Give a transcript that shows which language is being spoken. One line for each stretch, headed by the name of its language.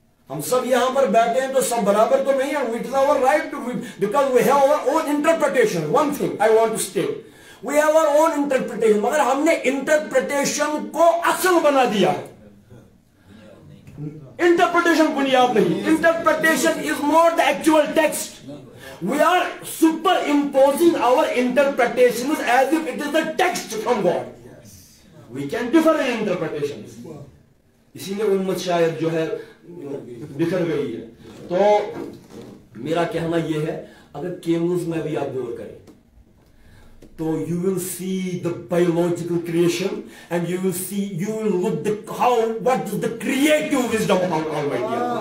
Hindi: हम सब यहां पर बैठे हैं तो सब बराबर तो नहीं है.
English: It is our right too, because we have our own interpretation. One thing I want to stay, we have our own interpretation,
Hindi: मगर हमने इंटरप्रिटेशन को असल बना दिया. इंटरप्रिटेशन बुनियाद नहीं,
English: Interpretation is not the actual text. We are superimposing our interpretations as if it is the text from God. We can differ in interpretations.
Hindi: इसीलिए उम्मत शायद जो है बिखर गई है. तो मेरा कहना यह है, अगर केमल्स में भी आप गौर करें
English: तो you will see the biological creation, and you will see, you will look the how what is the creative wisdom of Almighty.